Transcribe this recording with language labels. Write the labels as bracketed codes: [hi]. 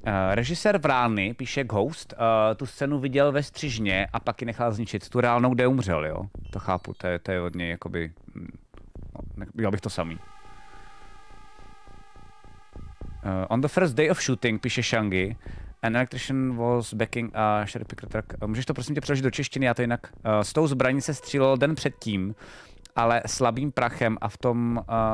[cs] Režisér Vrány, píše Ghost, tu scénu viděl ve střižně a pak ji nechal zničit. Tu reálnou, kde umřel, jo? To chápu, to je od něj, jakoby... Já bych to samý. [en] On the first day of shooting, [cs] píše [en] Shangi, an electrician was backing a Sherry Pickard truck. [cs] Můžeš to prosím tě přeložit do češtiny, já to jinak... S tou zbraní se střílel den předtím, ale slabým prachem a v tom...